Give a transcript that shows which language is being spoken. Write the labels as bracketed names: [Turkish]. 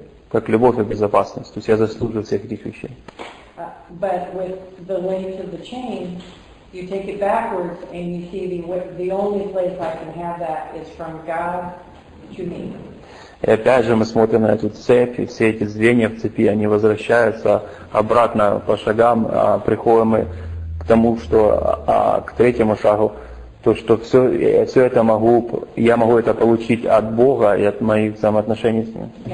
[Russian] Как любовь и безопасность. То есть я заслужил всех этих вещей. [English] But with the length of the chain, you take it backwards and you see the only place I can have that is from God to me. [Russian] И опять же мы смотрим на эту цепь, и все эти звенья в цепи, они возвращаются обратно по шагам, приходим мы к тому, что к третьему шагу, то, что все это могу, я могу это получить от Бога и от моих взаимоотношений с Ним.